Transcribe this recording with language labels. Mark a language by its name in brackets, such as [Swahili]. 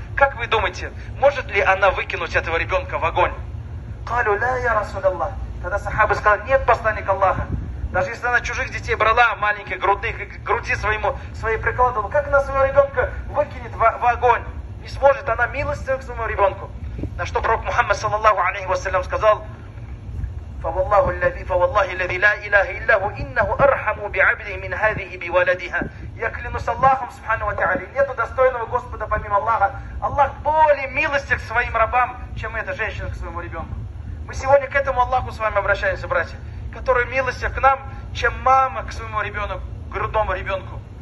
[Russian] Как вы думаете, может ли она выкинуть этого ребенка в огонь? [Arabic] «Калю ла я Расулаллах». [Russian] Тогда сахабы сказали: «Нет, посланник Аллаха. Даже если она чужих детей брала, маленьких, грудных, к груди своему, своей прикладывала, как она своего ребенка выкинет в огонь? Не сможет, она милостива к своему ребенку». На что пророк Мухаммад саллаллаху алейхи ва саллям сказал: [Arabic] فوالله الذي فوالله الذي لا إله إلا هو إنه أرحم بعبده من هذه بولدها. [Russian] Я клянусь Аллахом Субхану ва Тааля, нету достойного Господа помимо Аллаха. Аллах более милостив к своим рабам, чем эта женщина к своему ребенку. Мы сегодня к этому Аллаху с вами обращаемся, братья, который милостив к нам, чем мама к своему ребенку, грудному ребенку.